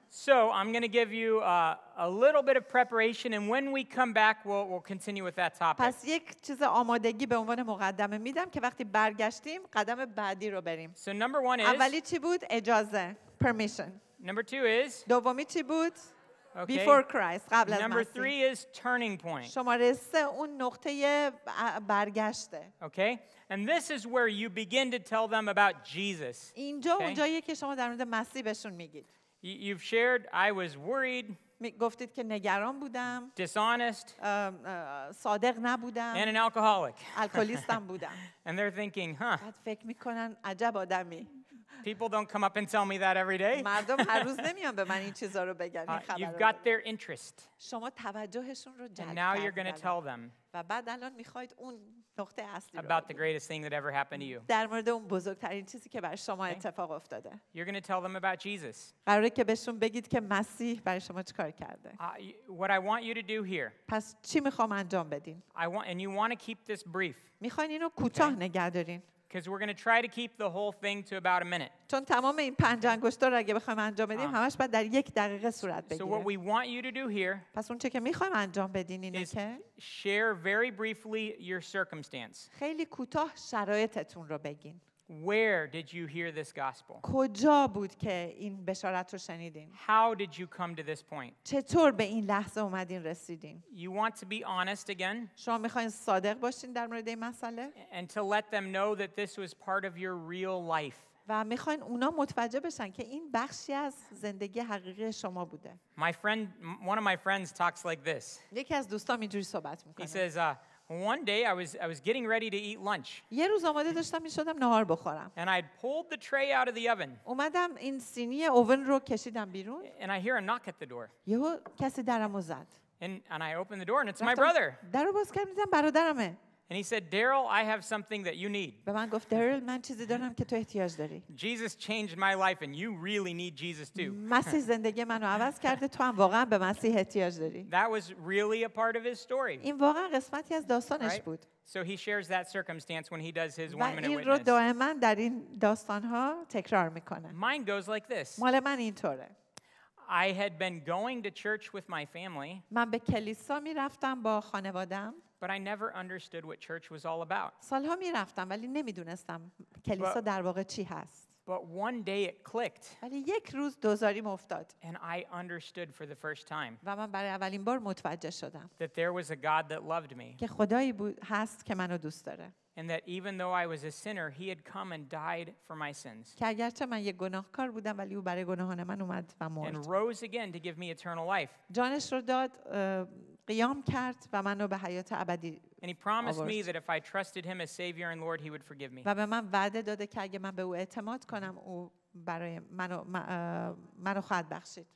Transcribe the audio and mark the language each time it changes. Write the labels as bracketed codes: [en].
[en] So I'm going to give you a little bit of preparation and when we come back we'll continue with that topic. [fa] پس یک چیز آمادگی به عنوان مقدمه میدم که وقتی برگشتیم قدم بعدی رو بریم. [en] So number 1 is [fa] اولی چی بود؟ اجازه. [en] Permission. Number 2 is [fa] دومی چی بود؟ [en] Okay. Before Christ, [fa] قبل از مسیح. [en] Number 3 is turning point. [fa] شماره 3 اون نقطه برگشته. [en] Okay? And this is where you begin to tell them about Jesus. [fa] اینجا اونجاییه که شما در مورد مسیح بهشون میگید. [en] You've shared I was worried. [fa] گفتید که نگران بودم. [en] Dishonest. [fa] صادق نبودم. [en] And an alcoholic. [fa] الکلیستم بودم. [en] And they're thinking, huh? [fa] بعد فکر میکنن عجب آدمی. [en] People don't come up and tell me that every day. [fa] مردم هر روز نمیان به من این چیزا رو بگن. [en] You've got their interest. [fa] شما توجهشون رو جلب کردید. [en] And now you're going to tell them. [fa] و بعد الان میخواید اون نقطه اصلی رو. [en] About the greatest thing that ever happened to you. [fa] در مورد اون بزرگترین چیزی که برای شما اتفاق افتاده. [en] You're going to tell them about Jesus. [fa] قراره که بهشون بگید که مسیح برای شما چیکار کرده. [en] What I want you to do here. [fa] پس چی میخوام انجام بدین؟ [en] And you want to keep this brief. [fa] میخواین اینو کوتاه نگه دارین. [en] Because we're going to try to keep the whole thing to about a minute. [fa] چون تمام این پنج انگشتو رو اگه بخوایم انجام بدیم همش بعد در یک دقیقه صورت بگیره. [en] So what we want you to do here. [fa] پس اون چه که می‌خوایم انجام بدین اینه که [en] share very briefly your circumstance. [fa] خیلی کوتاه شرایطتون رو بگین. [en] Where did you hear this gospel? [fa] کجا بود که این بشارت رو شنیدین؟ [en] How did you come to this point? [fa] چطور به این لحظه اومدین رسیدین؟ [en] You want to be honest again? [fa] شما می‌خواید صادق باشین در مورد این مسئله؟ [en] And to let them know that this was part of your real life. [fa] و می‌خواید اونا متوجه بشن که این بخشی از زندگی حقیقی شما بوده. [en] My friend, one of my friends talks like this. [fa] یکی از دوستام اینجوری صحبت می‌کنه. [en] He says, One day I was getting ready to eat lunch. [fa] یه روز آماده داشتم می‌شدم نهار بخورم. [en] And I pulled the tray out of the oven. [fa] اومدم این سینی اوون رو کشیدم بیرون. [en] And I hear a knock at the door. [fa] یهو کسی درمو زد. [en] And I opened the door and it's my brother. [fa] درو باز کردم دیدم برادرمه. [en] And he said, "Daryl, I have something that you need." [fa] به من گفت داریل من چیزی دارم که تو احتیاج داری. [en] Jesus changed my life and you really need Jesus too. [fa] مسیح زندگی منو عوض کرده تو هم واقعا به مسیح احتیاج داری. [en] That was really a part of his story. [fa] این واقعا قسمتی از داستانش بود. [en] So he shares that circumstance when he does his one minute witness. [fa] و این رو دائما در این داستان‌ها تکرار می‌کنه. [en] Mine goes like this. [fa] مال من اینطوره. [en] I had been going to church with my family. [fa] من به کلیسا می‌رفتم با خانواده‌ام. [en] But I never understood what church was all about. [fa] سالها می‌رفتم ولی نمی‌دونستم کلیسا در واقع چی هست. [en] But one day it clicked. [fa] ولی یک روز دوزاریم افتاد. [en] And I understood for the first time. [fa] و من برای اولین بار متوجه شدم. [en] That there was a God that loved me. [fa] که خدایی بود هست که منو دوست داره. [en] And that even though I was a sinner, He had come and died for my sins. [fa] که اگرچه من یک گناهکار بودم ولی او برای گناهان من اومد و مرد. [en] And rose again to give me eternal life. [fa] جانش رو داد. قیام کرد و منو به حیات ابدی [en] And he promised me that if I trusted him as savior and lord he would forgive me. [fa] و به من وعده داد که اگه من به او اعتماد کنم او برای منو خواهد بخشید.